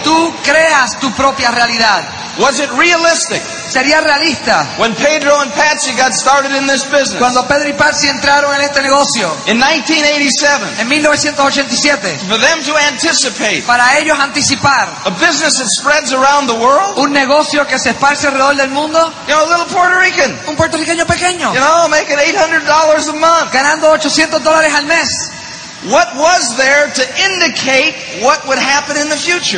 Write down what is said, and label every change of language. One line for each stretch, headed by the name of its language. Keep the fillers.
Spanish: Tú creas tu propia realidad.
English: Was it realistic?
Spanish: Sería realista.
English: When Pedro and Patsy got started in this business.
Spanish: Cuando Pedro y Patsy entraron en este negocio.
English: In 1987.
Spanish: En 1987.
English: For them to anticipate.
Spanish: Para ellos anticipar.
English: A business that spreads around the world.
Spanish: Un negocio que se esparce alrededor del mundo.
English: You know, a little Puerto Rican.
Spanish: Un puertorriqueño pequeño.
English: You know, making $800 a month.
Spanish: Ganando 800 dólares al mes.
English: What was there to indicate what would happen in the future?